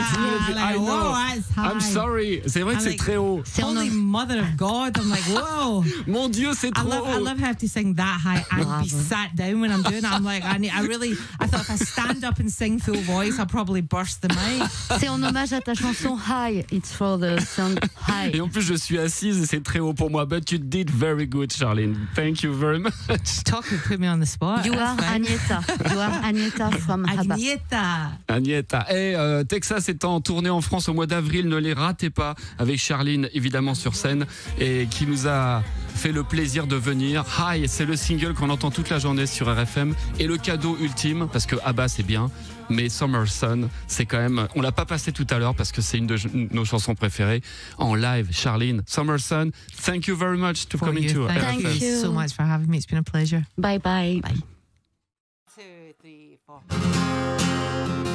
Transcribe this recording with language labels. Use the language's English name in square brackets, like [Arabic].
[English] like, I know. Whoa, it's high. I'm sorry. [French] C'est vrai que c'est très haut. [English] Holy mother of God. I'm like, whoa. [French] Mon Dieu, c'est trop haut. [English] I love having to sing that high and be sat down when I'm doing it. I'm like, I thought if I stand up and sing full voice, I'll probably burst the mic. [French] C'est en hommage à ta chanson High. [English] It's for the song High. [French] Et en plus, je suis assise et c'est très haut pour moi. [English] But you did very good, Charlene. Thank you very much. Talk and put me on the spot. You are Agnetha. You are Agnetha from ABBA. Agnetha. Agnetha. [French] Hey, Texas est en tournée en France au mois d'avril. Ne les ratez pas, avec Charline évidemment sur scène et qui nous a fait le plaisir de venir. Hi, c'est le single qu'on entend toute la journée sur RFM et le cadeau ultime, parce que ABBA c'est bien, mais Summer Sun c'est quand même, on l'a pas passé tout à l'heure parce que c'est une de nos chansons préférées en live. [English] Charline, Summer Sun, thank you very much to coming to RFM. Thank you so much for having me, it's been a pleasure. Bye bye. Bye. 1, 2, 3, 4.